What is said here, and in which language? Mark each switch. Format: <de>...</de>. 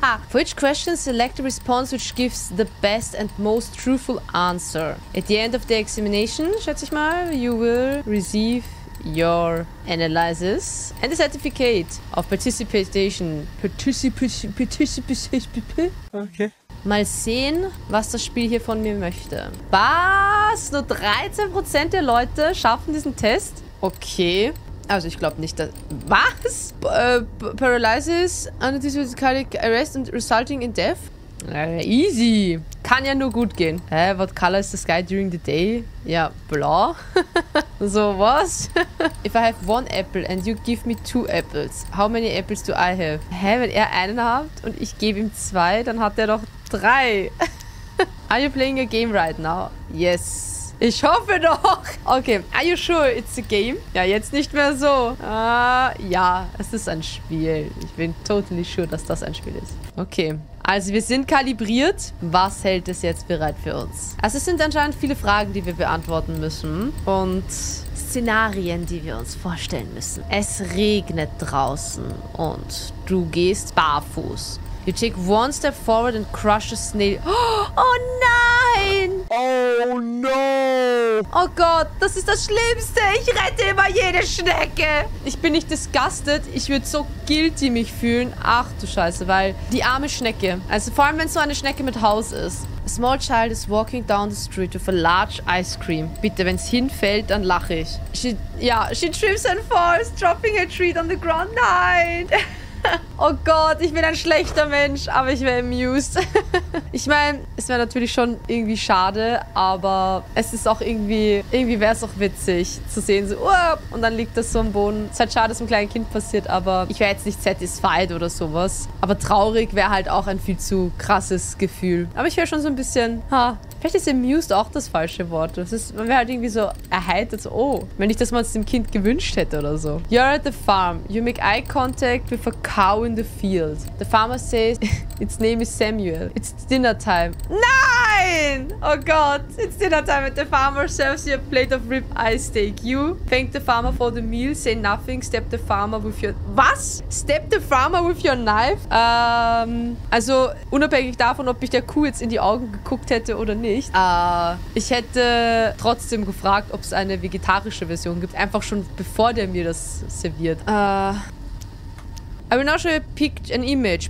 <en>For each question, select a response which gives the best and most truthful answer. At the end of the examination,</en> <de>schätze ich mal,</de> <en>you will receive your analysis and a certificate of participation. Okay.</en> <de>Mal sehen, was das Spiel hier von mir möchte. Was? Nur 13% der Leute schaffen diesen Test? Okay. Also ich glaube nicht, dass... Was?</de> <en>Paralysis, anesthetic arrest and resulting in death? Easy.</en> <de>Kann ja nur gut gehen.</de> <en>Hä, what color is the sky during the day?</en> <de>Ja, blau. So, was?</de> <en>If I have one apple and you give me two apples, how many apples do I have?</en> <de>Hä, wenn er einen hat und ich gebe ihm zwei, dann hat er doch drei.</de> <en>Are you playing a game right now? Yes.</en> <de>Ich hoffe doch.</de> <en>Okay, are you sure it's a game?</en> <de>Ja, jetzt nicht mehr so. Ja, es ist ein Spiel. Ich bin</de> <en>totally sure,</en> <de>dass das ein Spiel ist. Okay, also wir sind kalibriert. Was hält es jetzt bereit für uns? Also es sind anscheinend viele Fragen, die wir beantworten müssen. Und Szenarien, die wir uns vorstellen müssen. Es regnet draußen und du gehst barfuß.</de> <en>You take one step forward and crush a snail.</en> <de>Oh nein!</de> <en>Oh no!</en> <de>Oh Gott, das ist das Schlimmste. Ich rette immer jede Schnecke. Ich bin nicht disgusted. Ich würde so guilty mich fühlen. Ach du Scheiße, weil die arme Schnecke. Also vor allem, wenn so eine Schnecke mit Haus ist.</de> <en>A small child is walking down the street with a large ice cream.</en> <de>Bitte, wenn es hinfällt, dann lache ich.</de> <en>She trips and falls, dropping a treat on the ground.</en> <de>Nein! Oh Gott, ich bin ein schlechter Mensch, aber ich wäre amused. Ich meine, es wäre natürlich schon irgendwie schade, aber es ist auch irgendwie wäre es auch witzig zu sehen, so, und dann liegt das so am Boden. Es ist halt schade, dass einem kleinen Kind passiert, aber ich wäre jetzt nicht satisfied oder sowas. Aber traurig wäre halt auch ein viel zu krasses Gefühl. Aber ich wäre schon so ein bisschen, ha. Vielleicht ist amused auch das falsche Wort. Man wäre halt irgendwie so erheitert. So, oh, wenn ich das mal dem Kind gewünscht hätte oder so.</de> <en>You're at the farm. You make eye contact with a cow in the field. The farmer says, its name is Samuel. It's dinner time.</en> <de>Nein! Oh Gott,</de> <en>it's dinner time and the farmer serves you a plate of ribeye steak. You thank the farmer for the meal, say nothing, stab the farmer with your...</en> <de>Was?</de> <en>Stab the farmer with your knife?</en> <de>Also unabhängig davon, ob ich der Kuh jetzt in die Augen geguckt hätte oder nicht. Ich hätte trotzdem gefragt, ob es eine vegetarische Version gibt. Einfach schon bevor der mir das serviert.</de> <en>I will now show you a picture, an image.</en>